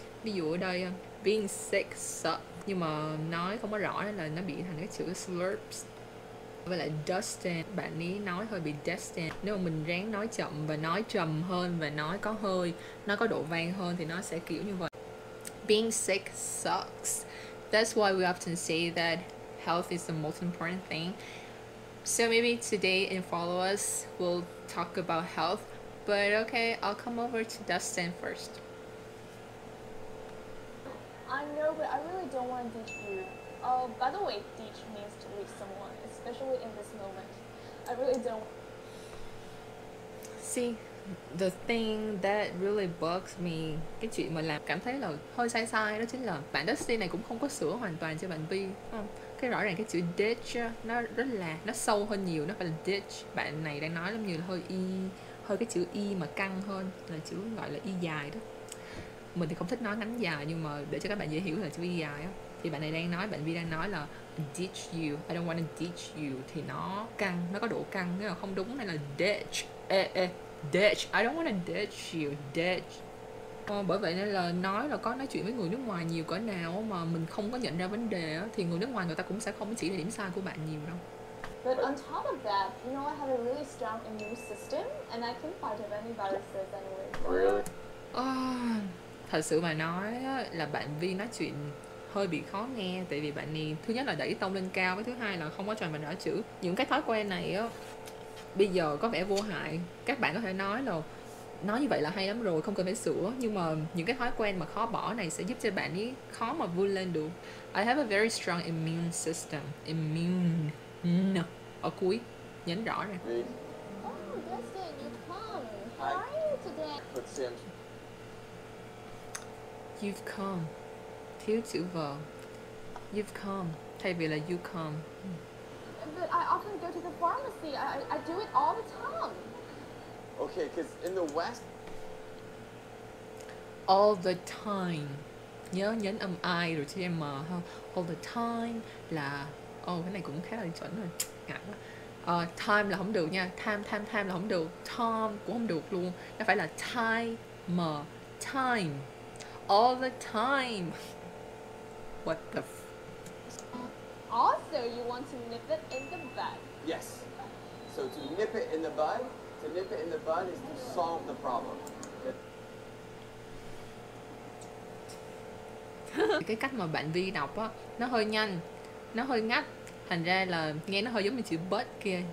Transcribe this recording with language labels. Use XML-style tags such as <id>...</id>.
<vi>Ví dụ ở đây</vi> <en>being sick sucks,</en> <vi>nhưng mà nói không có rõ là nó bị thành cái chữ slurps. Với lại Dustin, bạn ấy nói hơi bị Dustin. Nếu mà mình ráng nói chậm và nói trầm hơn và nói có hơi, nó có độ vang hơn thì nó sẽ kiểu như vậy.</vi> <en>Being sick sucks. That's why we often say that health is the most important thing. So maybe today in Follow Us, we'll talk about health. But okay, I'll come over to Dustin first. I know, but I really don't want to ditch you. Oh, by the way, ditch means to leave someone, especially in this moment. I really don't. See, the thing that really bugs me,</en> <vi>cái chuyện mà làm cảm thấy là hơi sai sai đó chính là bạn Dustin này cũng không có sửa hoàn toàn cho bạn Vy. cái rõ ràng cái chữ ditch nó rất là nó sâu hơn nhiều, nó phải là ditch. Bạn này đang nói giống như là hơi y, hơi cái chữ y mà căng hơn là chữ gọi là y dài đó. Mình thì không thích nói ngắn dài nhưng mà để cho các bạn dễ hiểu là chữ y dài á. Thì bạn này đang nói, bạn Vy đang nói là</vi> <en>ditch you, I don't wanna ditch you,</en> <vi>thì nó căng, nó có độ căng, nghĩa là không đúng này là ditch. Ê ê, ditch,</vi> <en>I don't wanna ditch you,</en> <vi>ditch. Bởi vậy nên là nói là có nói chuyện với người nước ngoài nhiều cỡ nào mà mình không có nhận ra vấn đề á, thì người nước ngoài người ta cũng sẽ không chỉ là điểm sai của bạn nhiều đâu.</vi> <en>But on top of that, you know, I have a really strong immune system and I can fight off any viruses anyway.</en> <vi>Thật sự mà nói là bạn Vy nói chuyện hơi bị khó nghe, tại vì bạn này thứ nhất là đẩy tông lên cao, với thứ hai là không có trò mà nói chữ. Những cái thói quen này á bây giờ có vẻ vô hại, các bạn có thể nói là nói như vậy là hay lắm rồi, không cần phải sửa, nhưng mà những cái thói quen mà khó bỏ này sẽ giúp cho bạn ấy khó mà vươn lên được.</vi> <en>I have a very strong immune system.</en> <vi>Immune ở cuối nhấn rõ ra.</vi> <en>Oh, Dustin, you come. How are you today? You've come.</en> <vi>Thiếu chữ vờ. You've come. Thay vì là you come.</vi> <en>But I often go to the pharmacy. I do it all the time. Okay, because in the West... All the time.</en> <vi>Nhớ nhấn âm I rồi chứ em mờ ha.</vi> <en>All the time</en> <vi>là... Oh, cái này cũng khá là chuẩn rồi. Ngại quá. Time là không được nha. Time là không được. Time cũng không được luôn. Nó phải là</vi> <en>time. Time. All the time. What the f... Also, you want to nip it in the bud. Yes. So to nip it in the bud, to nip it in the bud is to solve the problem.</en> <vi>Cái cách mà bạn Vy đọc á, nó hơi nhanh, nó hơi ngắt. Thành ra là nghe nó hơi giống như chữ bud kia.</vi>